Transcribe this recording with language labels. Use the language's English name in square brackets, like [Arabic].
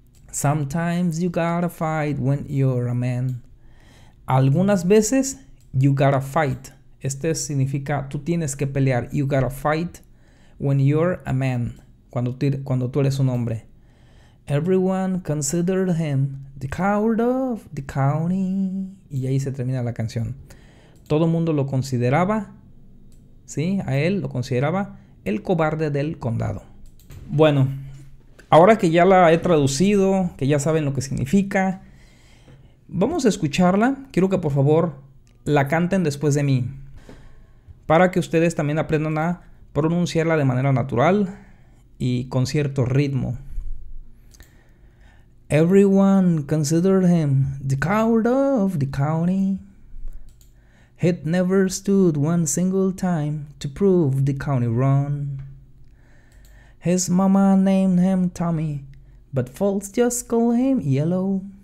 [English] Sometimes you gotta fight when you're a man. [Spanish] Algunas veces, [English] you gotta fight. [Spanish] Este significa, tú tienes que pelear. [English] You gotta fight when you're a man. [Spanish] Cuando tú eres un hombre. [English] Everyone considered him the coward of the county. [Spanish] Y ahí se termina la canción. Todo mundo lo consideraba, ¿sí? A él lo consideraba el cobarde del condado. Bueno, ahora que ya la he traducido, que ya saben lo que significa, vamos a escucharla. Quiero que por favor la canten después de mí, para que ustedes también aprendan a pronunciarla de manera natural y con cierto ritmo. [English] Everyone considered him the coward of the county. He never stood one single time to prove the county wrong. His mama named him Tommy, but folks just call him Yellow.